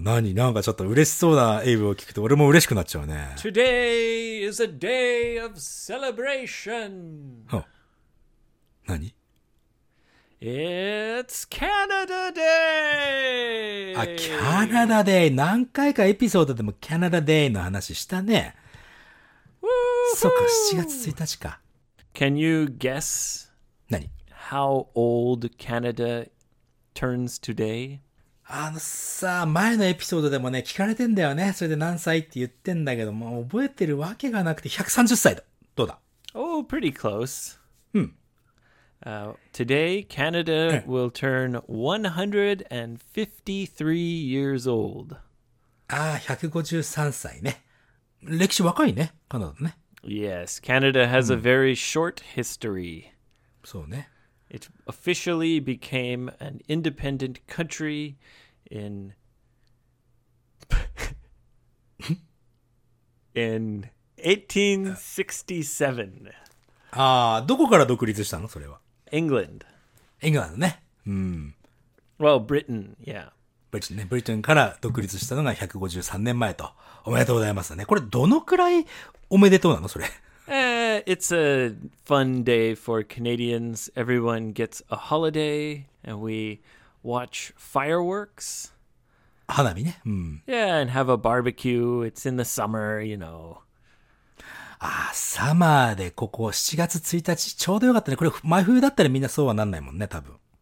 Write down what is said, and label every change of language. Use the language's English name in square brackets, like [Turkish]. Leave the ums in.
[Japanese] 何なんかちょっと嬉しそうなエイブを聞くと俺も嬉しくなっちゃうね。 [English] Today is a day of celebration! [Japanese] 何 [English] ?It's Canada Day! あ、Canada Day! [Japanese] 何回かエピソードでも Canada Day の話したね。そうか、7月1日か。 [English] Can you guess [Japanese] 何 [English] ?How old Canada turns today? [Japanese] あのさ、前のエピソードでもね、聞かれてんだよね。それで何歳って言ってんだけども、覚えてるわけがなくて130歳だ。どうだ [English] ?Oh, pretty close. [Japanese] うん。 [English] Uh, today, Canada will turn 153 years old. [Japanese] ああ、153 歳ね。歴史若いね、カナダね。 [English] Yes, Canada has a very short history. [Japanese] そうね。 [English] It officially became an independent country in in 1867. ああ、 [Japanese] どこから独立したのそれは。 [English] England. England ね。うん。 Well, Britain, yeah. Britain ね。 [Japanese] Britain から独立したのが153年前と。おめでとうございますね。これ、どのくらいおめでとうなのそれ。 [English] it's a fun day for Canadians. Everyone gets a holiday and we watch fireworks. Mm. Yeah, and have a barbecue. It's in the summer, you know. [Japanese] ああ、サマーでここ7月1日ちょうどよかったね。これ真冬だったらみんなそうはなんないもんね、多分。